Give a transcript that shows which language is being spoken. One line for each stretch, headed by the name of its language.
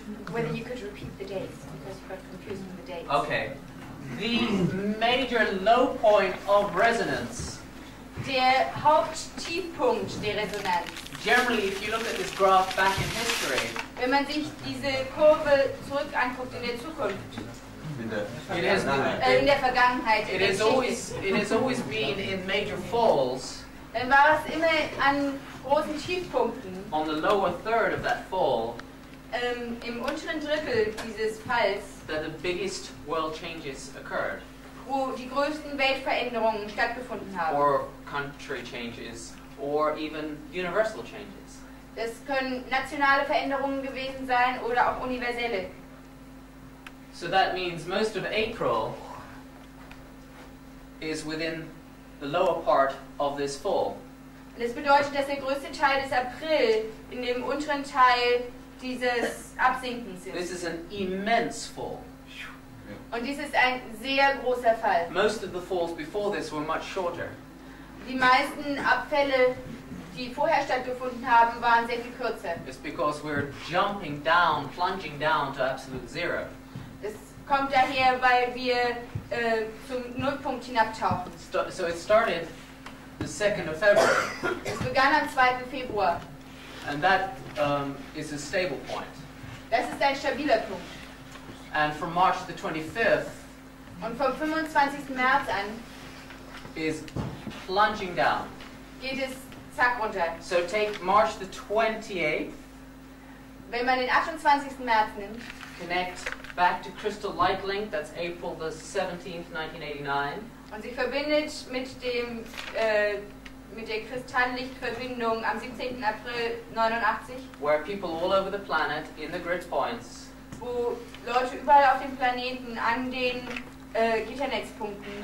English: Whether you could repeat the dates, because you got confused with the dates. Okay. The major low point of resonance.
German: Der Haupttiefpunkt der Resonanz.
English: Generally, if you look at this graph back in history.
German: Wenn man sich diese Kurve zurück anguckt in der Zukunft.
English: It has always been in major falls.
German: Dann war es immer an großen Tiefpunkten.
English: On the lower third of that fall.
German: Im unteren Drittel dieses Falls.
English: That the biggest world changes occurred.
German: Wo die größten Weltveränderungen stattgefunden haben.
English: Or country changes, or even universal changes.
German: Das können nationale Veränderungen gewesen sein oder auch universelle.
English: So that means most of April is within the lower part of this fall.
German: Das bedeutet, dass der größte Teil des April in dem unteren Teil dieses Absinkens ist.
English: This is an immense fall.
German: Und dies ist ein sehr großer Fall.
English: Most of the falls before this were much shorter.
German: Die meisten Abfälle, die vorher stattgefunden haben, waren sehr viel kürzer.
English: It's because we're jumping down, plunging down to absolute zero.
German: Kommt daher, weil wir zum Nullpunkt hinabtauchen.
English: So it started the 2nd of February.
German: Es begann am 2. Februar.
English: And that is a stable point.
German: Das ist ein stabiler Punkt.
English: And from March the 25th.
German: Und vom 25. März an.
English: Is plunging down.
German: Geht es zack runter.
English: So take March the 28th.
German: Wenn man den 28. März nimmt.
English: Connect back to crystal light link, that's April the 17th, 1989.
German: Und sie verbindet mit dem mit der Kristalllichtverbindung am 17. April 89.
English: Where people all over the planet in the grid points.
German: Wo Leute überall auf dem Planeten an den Gitternetzpunkten.